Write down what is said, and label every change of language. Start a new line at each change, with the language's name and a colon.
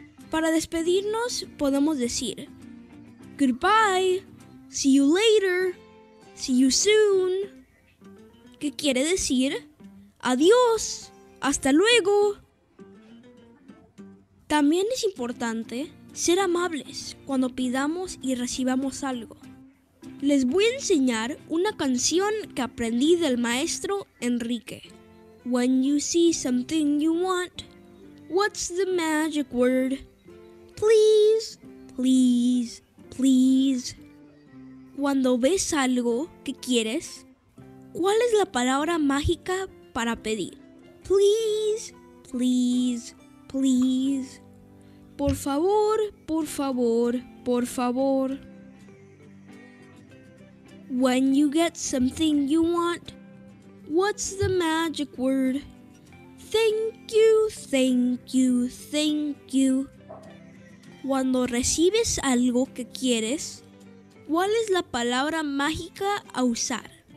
Spanish: Para despedirnos, podemos decir
English: goodbye, see you later, see you soon,
Spanish: que quiere decir adiós, hasta luego. También es importante ser amables cuando pidamos y recibamos algo. Les voy a enseñar una canción que aprendí del maestro Enrique.
English: When you see something you want, what's the magic word? Please, please, please.
Spanish: Cuando ves algo que quieres, ¿cuál es la palabra mágica para pedir?
English: Please, please, please.
Spanish: Por favor, por favor, por favor.
English: When you get something you want, what's the magic word? Thank you, thank you, thank you.
Spanish: Cuando recibes algo que quieres, ¿cuál es la palabra mágica a usar?